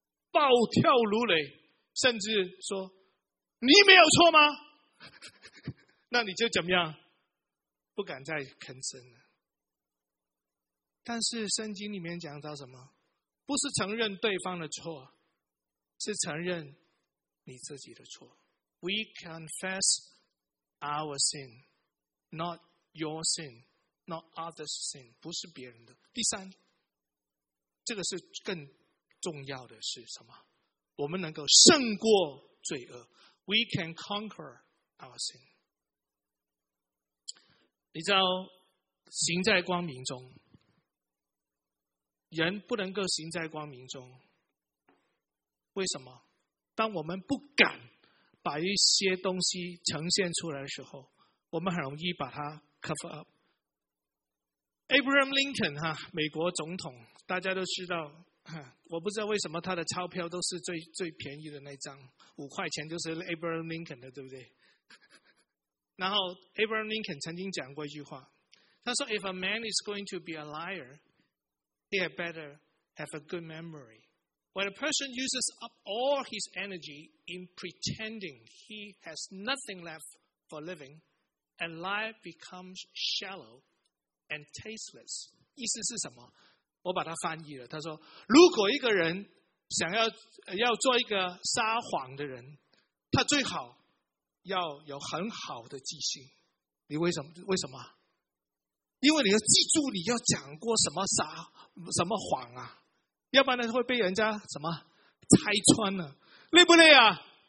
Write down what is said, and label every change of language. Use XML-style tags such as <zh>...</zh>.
<zh>暴跳如雷，甚至说你没有错吗？那你就怎么样？不敢再吭声了。但是圣经里面讲到什么？不是承认对方的错，是承认你自己的错。</zh> <en>We confess our sin, not your sin, not others' sin，</en> <zh>不是别人的。第三，这个是更重要的，是什么？我们能够胜过罪恶。</zh> <en>We can conquer our sin。</en> <zh>你知道，行在光明中，人不能够行在光明中。为什么？当我们不敢把一些东西呈现出来的时候，我们很容易把它</zh> <en>cover up。</en> <zh>Abraham Lincoln 哈，美国总统，大家都知道，我不知道为什么他的钞票都是最便宜的那张，五块钱就是 Abraham Lincoln 的，对不对？然后 Abraham Lincoln 曾经讲过一句话，他说</zh> <en>If a man is going to be a liar, he had better have a good memory. When a person uses up all his energy in pretending he has nothing left for living, a lie becomes shallow and tasteless.</en> <zh>意思是什么？我把它翻译了，他说如果一个人想要做一个撒谎的人，他最好要有很好的记性。你为什么？因为你要记住你要讲过什么傻什么谎啊，要不然会被人家什么拆穿了，累不累啊？</zh>